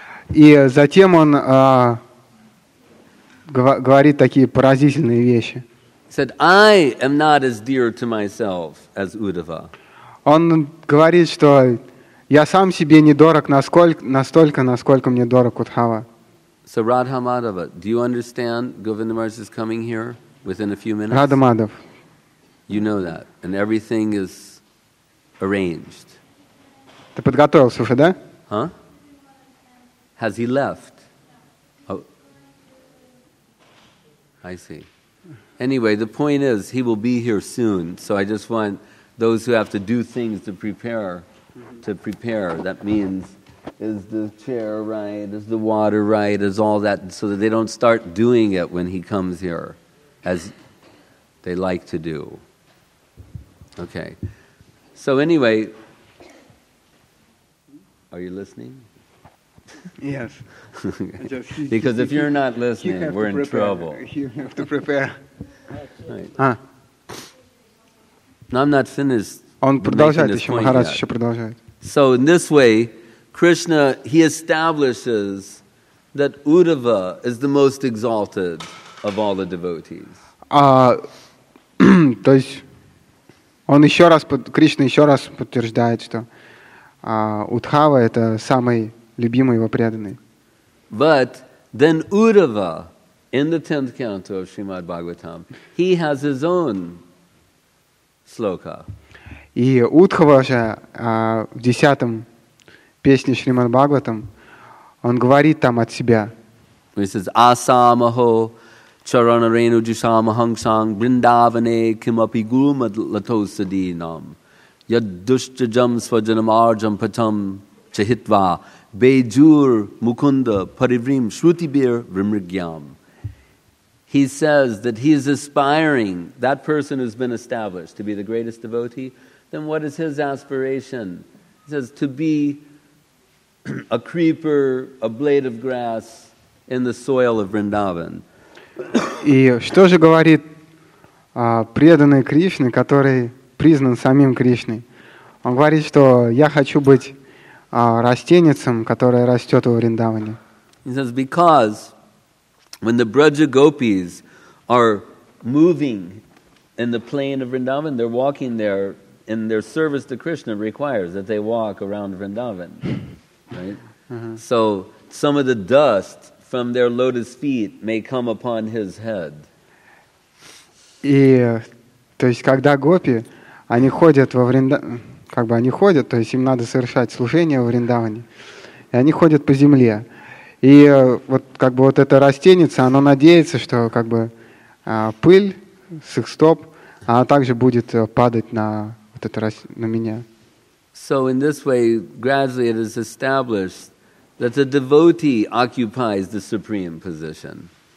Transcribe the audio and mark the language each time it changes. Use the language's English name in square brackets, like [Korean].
[Russian] И затем он говорит такие поразительные вещи. [English] Said, I am not as dear to myself as Uddhava. [Russian] Он говорит, что я сам себе не дорог настолько, насколько мне дорог Удхава. [English] So, Radha Madhava, do you understand Govinda Maharaj is coming here within a few minutes? Radha Madhav. You know that. And everything is arranged. [Russian] Ты подготовился уже, да? [English] Huh? Has he left? Oh. I see. Anyway, the point is, he will be here soon. So I just want those who have to do things to prepare. To prepare, that means, is the chair right, is the water right, is all that, so that they don't start doing it when he comes here, as they like to do. Okay. So anyway, are you listening? Yes. Because if you're not listening, we're in trouble. You have to prepare. No, I'm not finished. [Russian] Он продолжает еще, Махарадж еще продолжает. [English] So in this way, Krishna, he establishes that Uddhava is the most exalted of all the devotees. [Russian] То есть, он еще раз, Кришна еще раз подтверждает, что Удхава это самый любимый его преданный. [English] But then Uddhava, in the 10th canto of Srimad Bhagavatam, he has his own sloka. [Russian] И Удхава же в 10-м песне Шримад Бхагаватам он говорит там от себя. [English] He says, [Sanskrit] Asamaho charanarenu jishamahangsang brindavane kimapi gulmad latosadi nam yaddushtajam svajanam arjam patam chahitva bejur mukunda parivrim shrutibir vrimrigyam. [English] He says that he is aspiring, that person who's been established to be the greatest devotee, then what is his aspiration? He says, to be a creeper, a blade of grass in the soil of Vrindavan. [Russian] И что же говорит преданный Кришна, который признан самим Кришной? Он говорит, что я хочу быть растеницем, которая растет у Вриндаване. [English] He says, because when the Braja Gopis are moving in the plain of Vrindavan, they're walking there, and their service to Krishna requires that they walk around Vrindavan, right? Uh-huh. So some of the dust from their lotus feet may come upon his head. [Russian] И то есть когда гопи, они ходят во Вриндаване, как бы они ходят, то есть им надо совершать служение во Вриндаване, и они ходят по земле. И вот как бы вот эта растеница, она надеется, что как бы пыль с их стоп, она также будет падать на меня. [English] So in this way, gradually it is established that the devotee occupies the supreme position.